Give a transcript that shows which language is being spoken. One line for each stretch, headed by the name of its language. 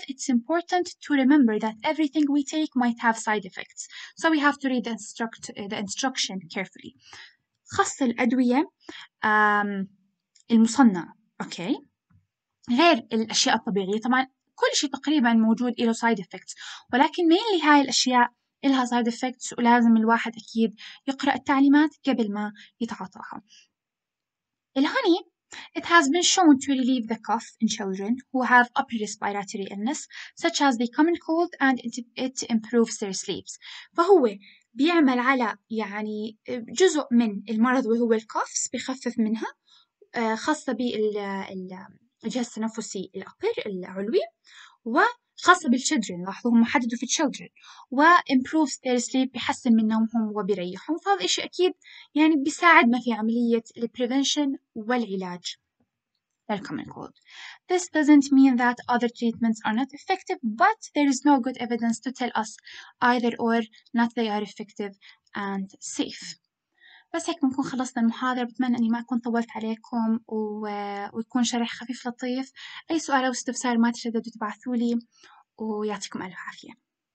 English: It's important to remember that everything we take might have side effects, so we have to read the instruction carefully.
Arabic: خاصة الأدوية المصنعة، okay، غير الأشياء الطبيعية. طبعا كل شيء تقريبا موجود له side effects، ولكن mainly هاي الأشياء لها side effects ولازم الواحد أكيد يقرأ التعليمات قبل ما يتعاطاها.
English: الهوني It has been shown to relieve the cough in children who have upper respiratory illness such as the common cold and it improves their sleeps. فهو
Arabic: بيعمل على يعني جزء من المرض وهو الكوفس، بيخفف منها خاصة بالجهاز التنفسي الأبر العلوي، وخاصة بالشيلدرن، لاحظوا هم حددوا في الشيلدرن، و
English: improves their sleep،
Arabic: بيحسن من نومهم وبيريحهم. فهذا إشي أكيد يعني بيساعد ما في عملية البريفنشن والعلاج للكومن كولد.
English: This doesn't mean that other treatments are not effective, but there is no good evidence to tell us either or not they are effective and safe.
Arabic: بس هيك بنكون خلصنا المحاضرة، بتمنى أني ما أكون طولت عليكم ويكون شرح خفيف لطيف. أي سؤال أو استفسار ما تشددوا تبعثولي، ويعطيكم ألف عافية.